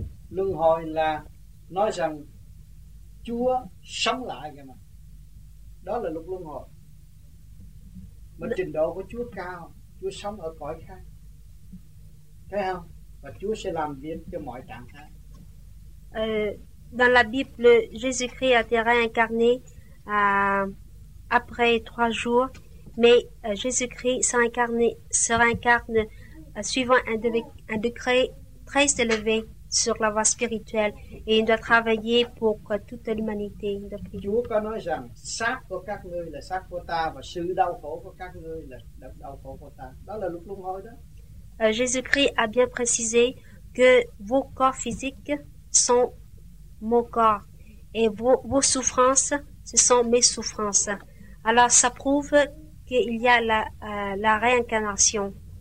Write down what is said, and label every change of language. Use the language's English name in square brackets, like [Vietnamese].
[Vietnamese] Luân hồi là nói rằng Chúa sống lại kìa mà. Đó là lục luân hồi. Mà trình độ của Chúa cao, Chúa sống ở cõi khác. Thấy không? Và Chúa sẽ làm việc cho mọi trạng thái. [French] Dans la Bible, Jésus-Christ a été réincarné après 3 jours, mais Jésus-Christ se réincarne suivant un degré très élevé sur la voie spirituelle et il doit travailler pour toute l'humanité. [Vietnamese] Chúa có nói rằng, xác của các ngươi là xác của ta và sự đau khổ của các ngươi là đau khổ của ta. Đó là lúc luân hồi đó. [French] Jésus-Christ a bien précisé que vos corps physiques sont mon corps et vos souffrances ce sont mes souffrances. Alors ça prouve qu'il y a la réincarnation.